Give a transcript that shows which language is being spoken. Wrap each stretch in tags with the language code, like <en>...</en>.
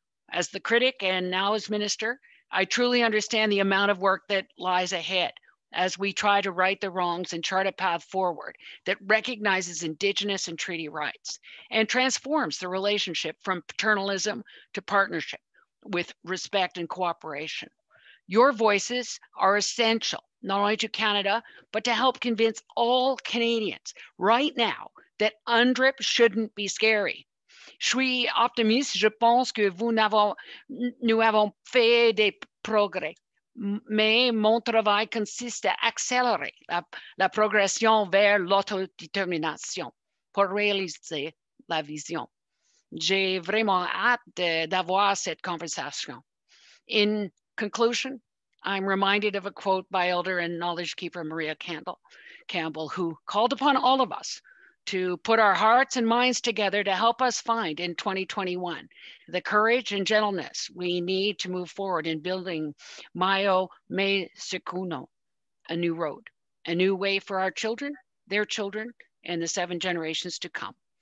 <en>As the critic and now as minister, I truly understand the amount of work that lies ahead as we try to right the wrongs and chart a path forward that recognizes Indigenous and treaty rights and transforms the relationship from paternalism to partnership with respect and cooperation. Your voices are essential, not only to Canada, but to help convince all Canadians right now that UNDRIP shouldn't be scary.</en> <fr>Je suis optimiste, je pense que nous avons fait des progrès. Mais mon travail consiste à accélérer la progression vers l'autodétermination pour réaliser la vision. J'ai vraiment hâte d'avoir cette conversation.</fr> <en>In conclusion, I'm reminded of a quote by Elder and Knowledge Keeper Maria Campbell, who called upon all of us to put our hearts and minds together to help us find in 2021 the courage and gentleness we need to move forward in building Mayo Me Sikuno, a new road, a new way for our children, their children, and the seven generations to come.</en>